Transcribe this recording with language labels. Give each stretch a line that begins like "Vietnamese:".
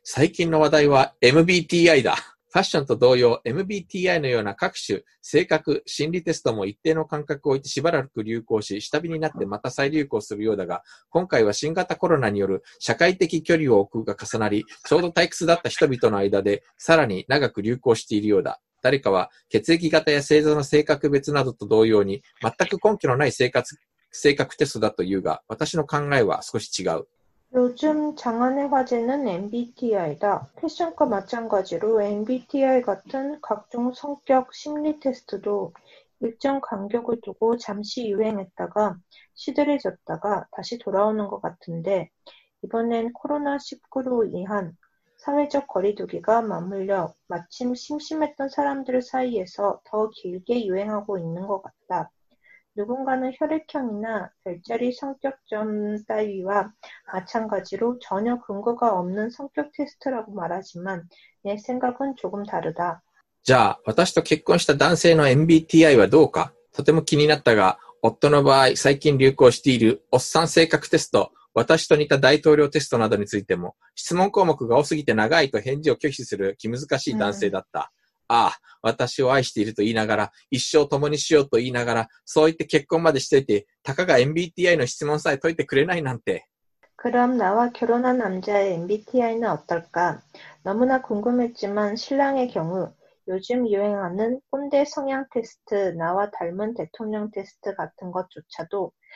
Japanese: 最近の話題は MBTI だ。ファッションと同様、MBTI のような各種、性格、心理テストも一定の間隔を置いてしばらく流行し、下火になってまた再流行するようだが、今回は新型コロナによる社会的距離を置くが重なり、ちょうど退屈だった人々の間で、さらに長く流行しているようだ。誰かは、血液型や星座の性格別などと同様に、全く根拠のない性格テストだというが、私の考えは少し違う。
Korean: 요즘 장안의 화제는 MBTI다. 패션과 마찬가지로 MBTI 같은 각종 성격 심리 테스트도 일정 간격을 두고 잠시 유행했다가 시들해졌다가 다시 돌아오는 것 같은데 이번엔 코로나19로 인한 사회적 거리두기가 맞물려 마침 심심했던 사람들 사이에서 더 길게 유행하고 있는 것 같다. 누군가는 혈액형이나 별자리 성격점 따위와 마찬가지로 전혀 근거가 없는 성격 테스트라고 말하지만 내 생각은 조금 다르다.
Japanese: じゃあ、私と結婚した男性の MBTI はどうか？とても気になったが、夫の場合、最近流行しているおっさん性格テスト、私と似た大統領テストなどについても、質問項目が多すぎて長いと返事を拒否する気難しい男性だった。ああ、私を愛していると言いながら、一生共にしようと言いながら、そう言って結婚までしていて、たかが MBTI の質問さえ解いてくれないなんて。
Korean: 그럼 나와 결혼한 남자의 MBTI는 어떨까? 너무나 궁금했지만 신랑의 경우 요즘 유행하는 꼰대 성향 테스트, 나와 닮은 대통령 테스트 같은 것조차도